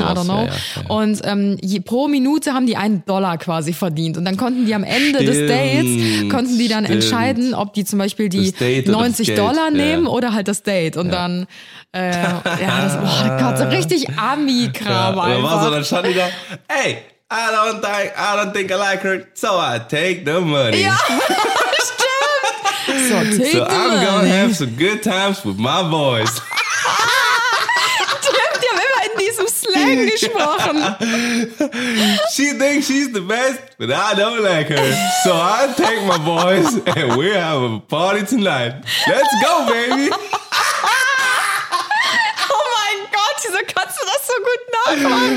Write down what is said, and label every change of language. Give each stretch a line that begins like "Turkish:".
German: Ja, ja, ja. Und pro Minute haben die $1 quasi verdient. Und dann konnten die am Ende des Dates entscheiden, ob die zum Beispiel die 90 Dollar nehmen oder halt das Date. Und dann, so richtig Ami-Kram einfach. So, dann stand die da, ey,
English: I don't think I like her, so I take the money.
German: Ja, stimmt. So,
English: I'm gonna have some good times with my boys.
German: Gesprochen.
English: She thinks she's the best, but I don't like her. So I take my boys and we have a party tonight. Let's go, baby.
German: Oh mein Gott, wieso kannst du das so gut nachmachen?